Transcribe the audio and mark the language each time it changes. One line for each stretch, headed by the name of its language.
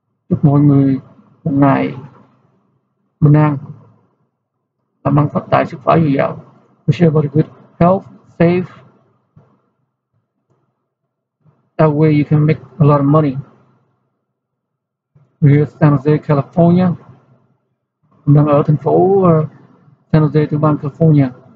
Vietnamese: Chúc mọi người một ngày bình an. Làm ăn phát tài sức khỏe dồi dào.
English: Wish everybody good health, safe. That way you can make a lot of money. We're here in San Jose, California.
Vietnamese: Đang ở thành phố San Jose, tiểu bang California.